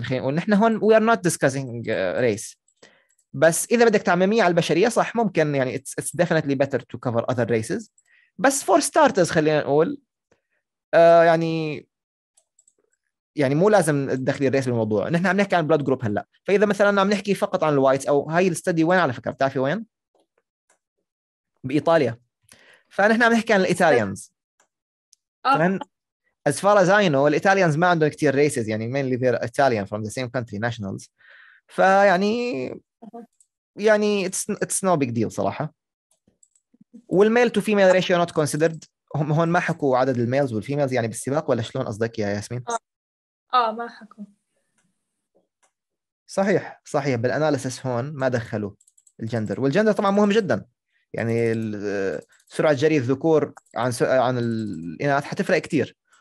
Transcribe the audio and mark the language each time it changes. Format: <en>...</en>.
<ar>خلينا نقول نحن هون</ar> <en>we are not discussing race</en> <ar>بس إذا بدك تعممية على البشرية صح ممكن يعني</ar> <en>it's definitely better to cover other races</en> <ar>بس</ar> <en>for starters</en> <ar>خلينا نقول يعني مو لازم تدخلي الريس بالموضوع. نحن عم نحكي عن blood group هلأ، فإذا مثلا عم نحكي فقط عن الوايتس أو هاي الستدي وين على فكرة بتعرفي وين؟ بإيطاليا. فنحن عم نحكي عن الإيطاليانز.</ar> <en>As far as I know, Italians</en> <ar>ما عندهم كتير</ar> <en>races, يعني mainly they're Italian from the same country, nationals.</en> <ar>فيعني يعني</ar> <en>it's no big deal</en> <ar>صراحة.</ar> <en>والmale to female ratio not considered.</en> <ar>هم هون ما حكوا عدد الmales والfemales يعني بالسباق ولا شلون قصدك يا ياسمين؟ ما حكوا. صحيح صحيح, بالاناليسس هون ما دخلوا الجندر, والجندر طبعا مهم جدا, يعني سرعة جري الذكور عن الإناث حتفرق كتير.</ar>